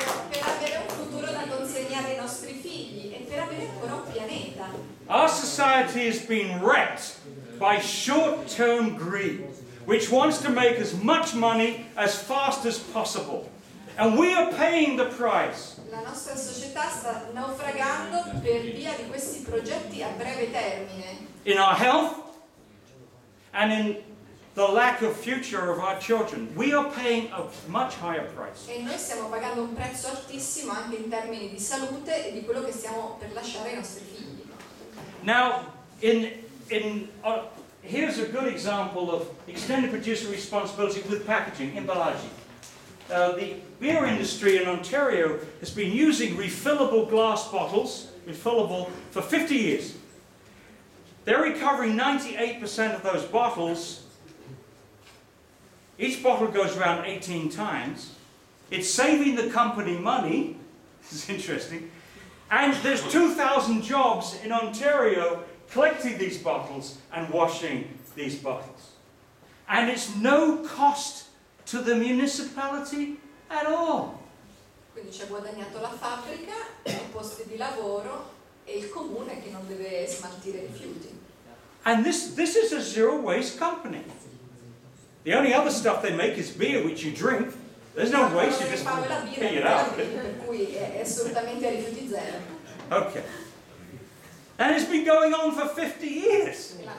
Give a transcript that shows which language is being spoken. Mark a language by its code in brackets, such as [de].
[it] Per avere un futuro da consegnare ai nostri figli e per avere ancora un pianeta. [en] Our society has been wrecked by short-term greed, which wants to make as much money as fast as possible. And we are paying the price. [it] La nostra società sta naufragando per via di questi progetti a breve termine. [en] In our health and in the lack of future of our children, we are paying a much higher price. [it] E noi stiamo pagando un prezzo altissimo anche in termini di salute e di quello che stiamo per lasciare ai nostri figli. [en] Now, here's a good example of extended producer responsibility with packaging, imbalaggi. The beer industry in Ontario has been using refillable glass bottles, refillable, for 50 years. They're recovering 98% of those bottles. Each bottle goes around 18 times. It's saving the company money. This is interesting. And there's 2,000 jobs in Ontario collecting these bottles and washing these bottles. And it's no cost to the municipality at all. [it] Quindi ci ha guadagnato la fabbrica, i posti di lavoro e il comune che non deve smaltire rifiuti. [en] And this is a zero waste company. The only other stuff they make is beer, which you drink. There's no waste, you just pee it out. [it] Per cui è assolutamente a rifiuti zero. [en] Okay. And it's been going on for 50 years.